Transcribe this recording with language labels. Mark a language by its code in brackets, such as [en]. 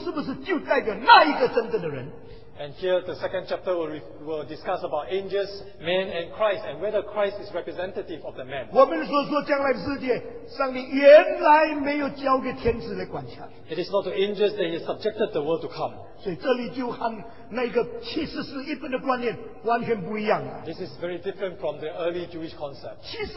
[zh] 所以第二章的这一段完全就在讨论天使人，人比天使更低一点，基督是不是就代表那一个真正的人？ [en] And here the second chapter will discuss about angels, men and Christ, and whether Christ is representative of the man. It is not to angels that he has subjected the world to come. [zh] 所以这里就和那个七十四一本的观念完全不一样了。 [en] This is very different from the early Jewish concept.